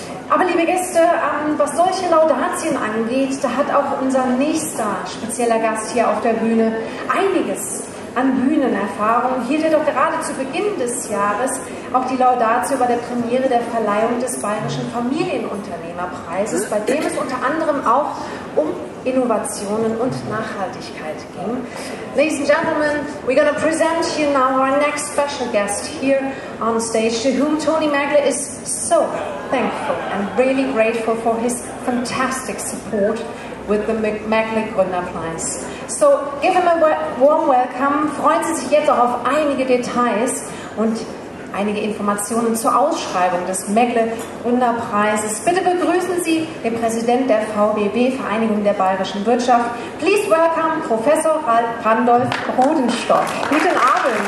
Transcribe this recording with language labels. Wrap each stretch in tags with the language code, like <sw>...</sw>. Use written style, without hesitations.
<de>Aber liebe Gäste, was solche Laudatien angeht, da hat auch unser nächster spezieller Gast hier auf der Bühne einiges an Bühnenerfahrung. Hielt er doch gerade zu Beginn des Jahres auch die Laudatio bei der Premiere der Verleihung des Bayerischen Familienunternehmerpreises, bei dem es unter anderem auch um Innovationen und Nachhaltigkeit ging.</de> <en>Ladies and gentlemen, we're going to present you now our next special guest here on stage, to whom Tony Meckle is so thankful and really grateful for his fantastic support with the Meckle Gründerpreis. So give him a warm welcome.</en> <de>Freuen Sie sich jetzt auch auf einige Details und einige Informationen zur Ausschreibung des Meckle Gründerpreises. Bitte begrüßen Sie den Präsident der VBW, Vereinigung der Bayerischen Wirtschaft.</de> <en>Please welcome Professor Ralf Randolf Rodenstock.</en> <de>Guten Abend.</de>